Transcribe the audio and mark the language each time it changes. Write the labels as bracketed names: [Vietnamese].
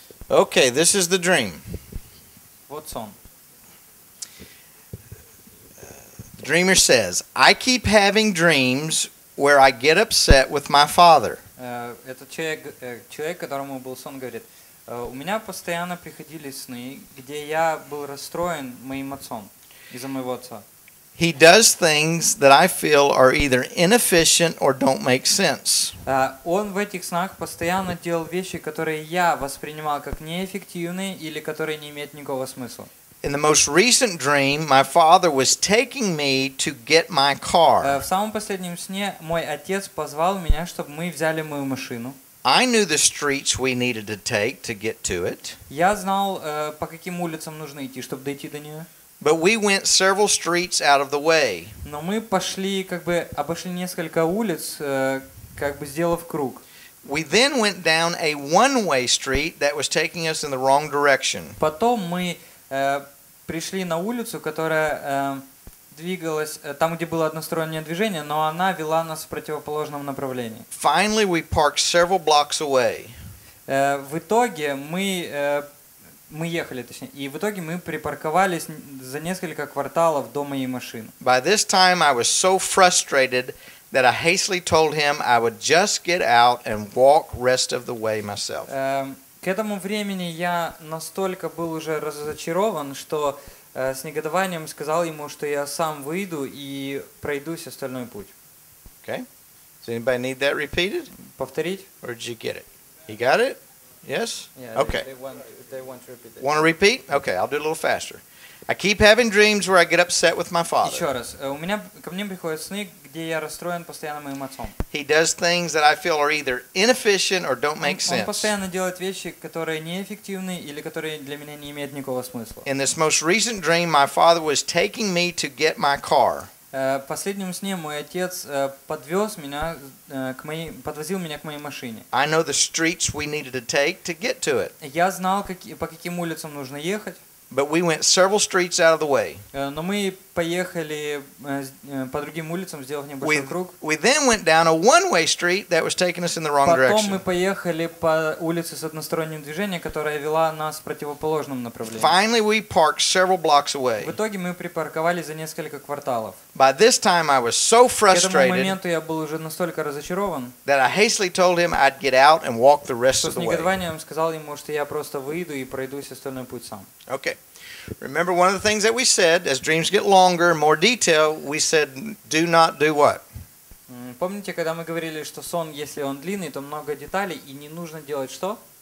[English] Okay, this is the dream. What's on? The dreamer says, I keep having dreams where I get upset with my father. [Russian] Этот человек, которому был сон, говорит, у меня постоянно приходили сны, где я был расстроен моим отцом из-за моего отца. [English] He does things that I feel are either inefficient or don't make sense. [Russian] Он в этих снах постоянно делал вещи, которые я воспринимал как неэффективные или которые не имеют никакого смысла. [English] In the most recent dream, my father was taking me to get my car. [Russian] В самом последнем сне мой отец позвал меня, чтобы мы взяли мою машину. [English] I knew the streets we needed to take to get to it. [Russian] Я знал, по каким улицам нужно идти, чтобы дойти до нее. [English] But we went several streets out of the way. [Russian] Но мы пошли, как бы обошли несколько улиц, как бы сделав круг. [English] We then went down a one-way street that was taking us in the wrong direction. [Russian] Потом мы пришли на улицу, которая двигалась там, где было одностороннее движение, но она вела нас в противоположном направлении. [English] Finally, we parked several blocks away. [Russian] В итоге мы Мы ехали, точнее, и в итоге мы припарковались за несколько кварталов до моей машины. [English] By this time I was so frustrated that I hastily told him I would just get out and walk rest of the way myself. [Russian] К этому времени я настолько был уже разочарован, что с негодованием сказал ему, что я сам выйду и пройдусь остальной путь. [English] Okay. Does anybody need that repeated? [Russian] Повторить? [English] Or did you get it? You got it? Yes? Yeah, okay. They want to repeat it. Want to repeat? Okay, I'll do it a little faster. I keep having dreams where I get upset with my father. [Russian] Еще раз. У меня ко мне приходят сны, где я расстроен постоянно моим отцом. [English] He does things that I feel are either inefficient or don't make sense. [Russian] Он постоянно делает вещи, которые неэффективны или которые для меня не имеют никакого смысла. [English] In this most recent dream, my father was taking me to get my car. [Russian] В последнем сне мой отец подвез меня к моей, подвозил меня к моей машине. [English] I know the streets we needed to take to get to it. [Russian] Я знал, по каким улицам нужно ехать. [English] But we went several streets out of the way. [Russian] Но мы поехали по другим улицам, сделав небольшой круг. [English] We then went down a one-way street that was taking us in the wrong direction. [Russian] Потом мы поехали по улице с односторонним движением, которая вела нас в противоположном направлении. [English] Finally, we parked several blocks away. [Russian] В итоге мы припарковали за несколько кварталов. [English] By this time, I was so frustrated. [Russian] К этому моменту я был уже настолько разочарован, [English] that I hastily told him I'd get out and walk the rest of the way. [Russian] С негодованием сказал ему, что я просто выйду и пройдусь остальной путь сам. [English] Okay. Remember one of the things that we said, as dreams get longer, more detail, we said, do not do what? [Russian] Помните, когда мы говорили, что сон, если он длинный, то много деталей, и не нужно делать что?